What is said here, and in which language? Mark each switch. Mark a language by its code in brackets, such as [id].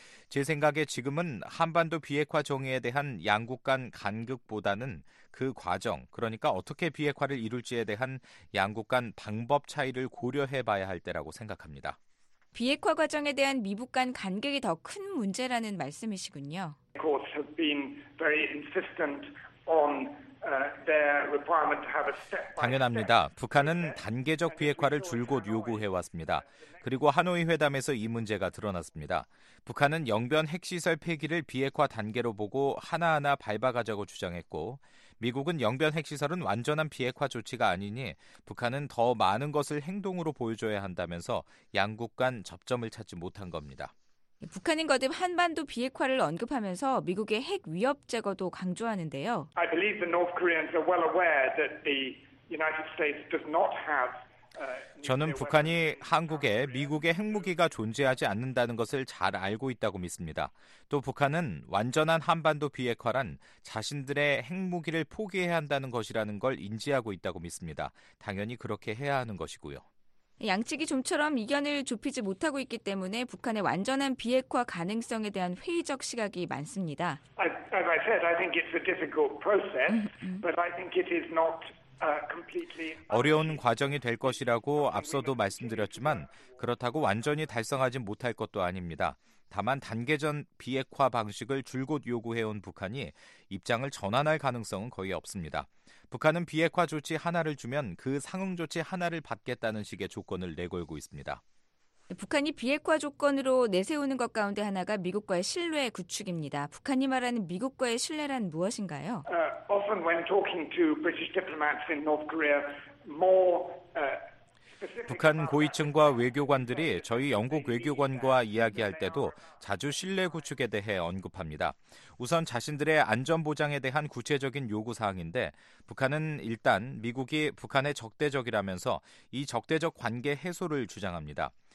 [ko] 제 생각에 지금은 한반도 비핵화 정의에 대한 양국 간 간극보다는 그 과정, 그러니까 어떻게 비핵화를 이룰지에 대한 양국 간 방법 차이를 고려해봐야 할 때라고 생각합니다. 비핵화 과정에 대한 미북 간 간극이 더 큰 문제라는 말씀이시군요. [en] Very insistent on their requirement to have a step. [ko] 당연합니다. 북한은 단계적 비핵화를 줄곧 요구해 왔습니다. 그리고 하노이 회담에서 이 문제가 드러났습니다. 북한은 영변 핵시설 폐기를 비핵화 단계로 보고 하나하나 밟아가자고 주장했고, 미국은 영변 핵시설은 완전한 비핵화 조치가 아니니 북한은 더 많은 것을 행동으로 보여줘야 한다면서 양국 간 접점을 찾지 못한 겁니다. 북한은 거듭 한반도 비핵화를 언급하면서 미국의 핵 위협 제거도 강조하는데요. [en] I believe the North Koreans are well aware that the United States does not have [ko] 저는 북한이 한국에 미국의 핵무기가 존재하지 않는다는 것을 잘 알고 있다고 믿습니다. 또 북한은 완전한 한반도 비핵화란 자신들의 핵무기를 포기해야 한다는 것이라는 걸 인지하고 있다고 믿습니다. 당연히 그렇게 해야 하는 것이고요. 양측이 좀처럼 이견을 좁히지 못하고 있기 때문에 북한의 완전한 비핵화 가능성에 대한 회의적 시각이 많습니다. [en] As I said, I think it's a difficult process, but I think it is not completely [ko] 어려운 과정이 될 것이라고 앞서도 말씀드렸지만 그렇다고 완전히 달성하지 못할 것도 아닙니다. 다만 단계적 비핵화 방식을 줄곧 요구해온 북한이 입장을 전환할 가능성은 거의 없습니다. 북한은 비핵화 조치 하나를 주면 그 상응 조치 하나를 받겠다는 식의 조건을 내걸고 있습니다. 북한이 비핵화 조건으로 내세우는 것 가운데 하나가 미국과의 신뢰 구축입니다. 북한이 말하는 미국과의 신뢰란 무엇인가요? [en] Often when talking to British diplomats in North Korea, more [ko] 북한 고위층과 외교관들이 저희 영국 외교관과 이야기할 때도 자주 신뢰 구축에 대해 언급합니다. 우선 자신들의 안전보장에 대한 구체적인 요구사항인데 북한은 일단 미국이 북한의 적대적이라면서 이 적대적 관계 해소를 주장합니다.